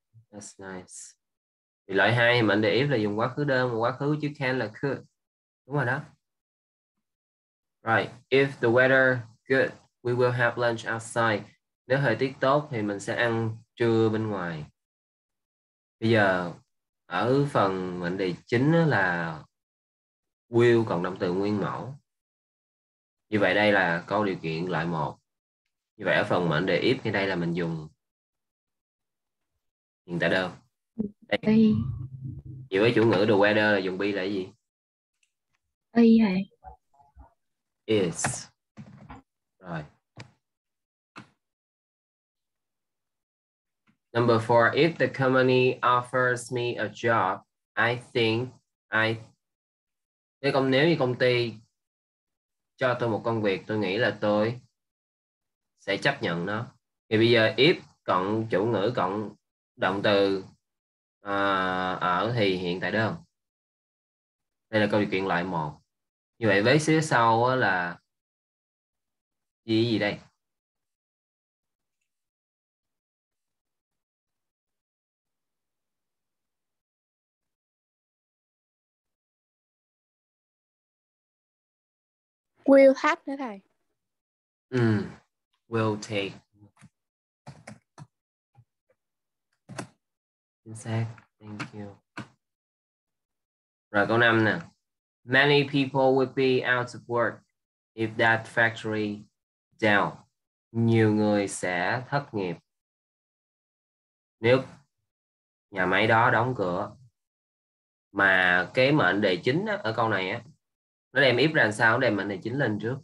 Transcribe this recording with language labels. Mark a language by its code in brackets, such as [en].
[en] That's nice. [vi] Thì loại 2 mình để if là dùng quá khứ đơn, quá khứ chứ can là could. Đúng rồi đó. [en] Right, if the weather good, we will have lunch outside. [vi] Nếu thời tiết tốt thì mình sẽ ăn trưa bên ngoài. Bây giờ ở phần mệnh đề chính là will cộng động từ nguyên mẫu. Như vậy đây là câu điều kiện loại 1. Như vậy ở phần mệnh đề if thì đây là mình dùng hiện tại đâu? Đây. Chỉ với chủ ngữ the weather là dùng be là cái gì? Be hay. Is. Rồi. [en] Number 4. If the company offers me a job, I think I... [vi] Nếu như công ty cho tôi một công việc, tôi nghĩ là tôi sẽ chấp nhận nó. Thì bây giờ if cộng chủ ngữ cộng động từ ở thì hiện tại đơn. Đây là câu điều kiện loại 1. Như vậy với phía sau là gì đây? Will have nữa thầy. [en] Will take. [vi] Chính xác. [en] Thank you. [vi] Rồi câu 5 nè. [en] Many people would be out of work If that factory down, [vi] nhiều người sẽ thất nghiệp. Nếu nhà máy đó đóng cửa. Mà cái mệnh đề chính á, ở câu này á, nó đem if ra sao, nó đem mệnh đề chính lên trước.